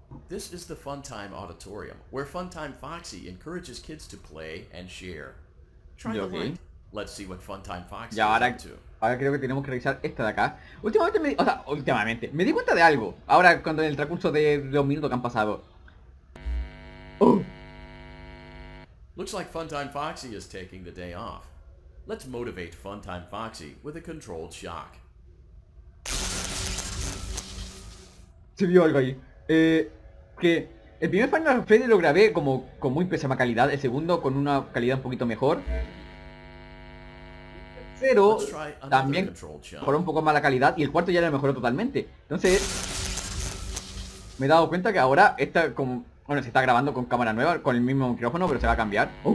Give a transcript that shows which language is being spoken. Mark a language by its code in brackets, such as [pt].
[en] This is the Funtime Auditorium, where Funtime Foxy encourages kids to play and share. Try the light. Let's see what Funtime Foxy is up to. [es] Ahora creo que tenemos que revisar esta de acá. Últimamente me, últimamente me di cuenta de algo. Ahora cuando en el transcurso de los minutos que han pasado. [en] Looks like Funtime Foxy is taking the day off. Let's motivate Funtime Foxy with a controlled shock. [es] Se vio algo ahí. Que el primer Final Freddy lo grabé como con muy pésima calidad, el segundo con una calidad un poquito mejor, pero también con un poco mala calidad, y el cuarto ya lo mejoró totalmente. Entonces me he dado cuenta que ahora está con, bueno, se está grabando con cámara nueva, con el mismo micrófono, pero se va a cambiar.